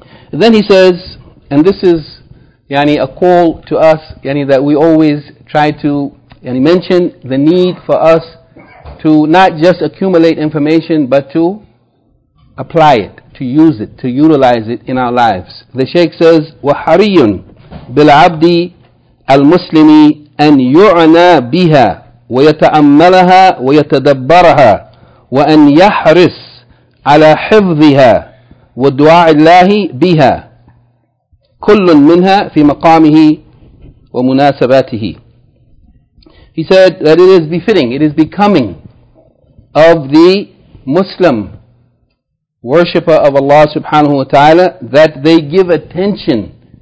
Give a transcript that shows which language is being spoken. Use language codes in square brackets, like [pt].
[en] Then he says, and this is yani a call to us, yani that we always try to yani mention the need for us to not just accumulate information but to apply it, to use it, to utilize it in our lives. The Shaykh says, [ar] وَحَرِيٌّ بِالْعَبْدِ الْمُسْلِمِ أَنْ يُعْنَى بِهَا وَيَتَأَمَّلَهَا وَيَتَدَبَّرَهَا وَأَنْ يَحْرِصْ عَلَى حِفْظِهَا والدعاء الله بها كل منها في مقامه ومناسباته. [en] He said that it is befitting, it is becoming of the Muslim worshipper of Allah subhanahu wa ta'ala that they give attention